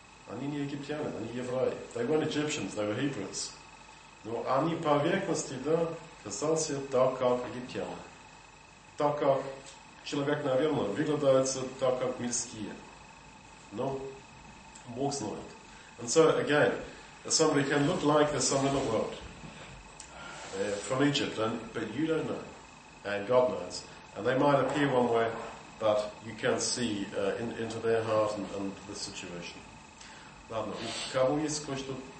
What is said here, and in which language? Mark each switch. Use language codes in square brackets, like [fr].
[ru] Они не египтяне, они евреи. [en] They weren't Egyptians, they were Hebrews. [ru] Но они по поверхности, да, касался так, как египтяне. Так, как человек, наверное, выглядается так, как мирские. Но Бог знает. [en] And so again, somebody can look like there's some in the world from Egypt, but you don't know, and God knows. And they might appear one way, but you can't see into their heart and the situation. [ru] Ладно, у кого есть кое-что?